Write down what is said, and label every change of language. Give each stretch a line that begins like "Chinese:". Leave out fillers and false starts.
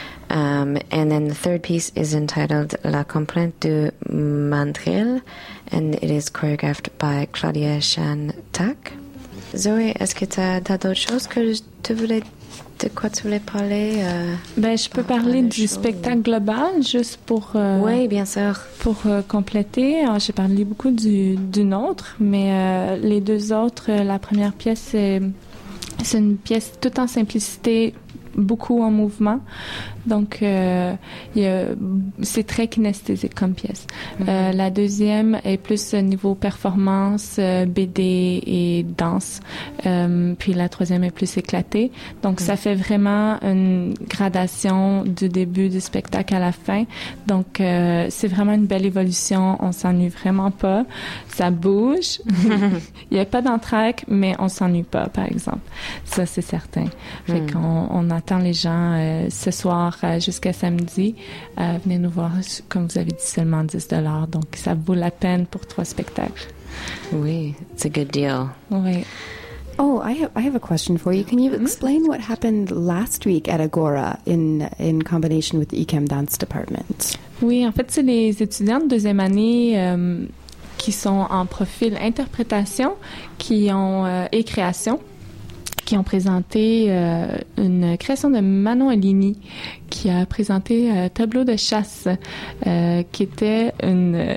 English: And then the third piece is entitled La Complainte de Mandrill, and it is choreographed by Claudia Chantac.
French: Zoé, est-ce que t'as d'autres choses que tu voulais dire? De quoi tu voulais parler? Je peux parler du spectacle global, juste pour... Oui, bien sûr. Pour compléter, j'ai parlé beaucoup du nôtre, mais les deux autres, la première pièce, c'est une pièce tout en simplicité, beaucoup en mouvement. Donc, c'est très kinesthésique comme pièce. Mm-hmm. La deuxième est plus niveau performance, BD et danse. Puis la troisième est plus éclatée. Donc, mm-hmm. ça fait vraiment une gradation du début du spectacle à la fin. Donc, c'est vraiment une belle évolution. On s'ennuie vraiment pas. Ça bouge. Il n'y a pas d'entraque, mais on s'ennuie pas, par exemple. Ça, c'est certain. Mm-hmm. Fait qu'on attend les gens ce soir jusqu'à samedi. Venez nous voir, comme vous avez dit, seulement 10$. Donc, ça vaut la peine pour trois spectacles.
English: Oui, it's a good deal.
French: Oui.
English: Oh, I have a question for you. Can you explain what happened last week at Agora in combination with the ICAM Dance Department?
French: Oui, en fait, c'est les étudiants de deuxième année qui sont en profil interprétation et création. Qui ont présenté une création de Manon Aligny, qui a présenté Tableau de chasse, qui était une...